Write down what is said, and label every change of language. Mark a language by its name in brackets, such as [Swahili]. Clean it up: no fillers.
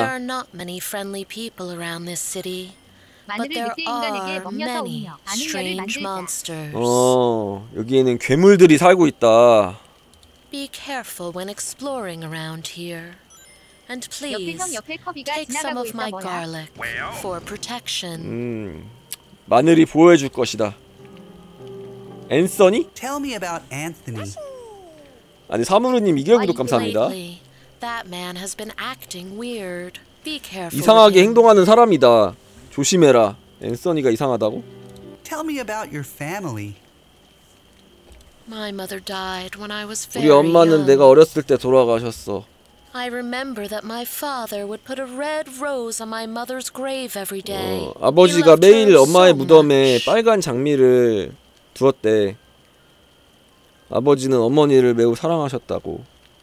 [English] There are not many friendly people around this city. But there are many strange monsters. [Korean] 여기에는 괴물들이 살고 있다. [English] Be careful when exploring around here. And please take some of my garlic for protection. [Korean] 마늘이 보호해 줄 것이다. 앤서니? [English] Tell me about Anthony. [Korean] 아니 사무르님 2개월구독 감사합니다. [English] That man has been acting weird. Be careful. [Korean] 이상하게 행동하는 사람이다. 조심해라. 앤서니가 이상하다고? [English] Tell me about your family. My mother died when I was very young. [Korean] 우리 엄마는 내가 어렸을 때 돌아가셨어. [English] I remember that my father would put a red rose on my mother's grave every day. [Korean] 아버지가 매일 엄마의 무덤에 빨간 장미를 두었대. 아버지는 어머니를 매우 사랑하셨다고.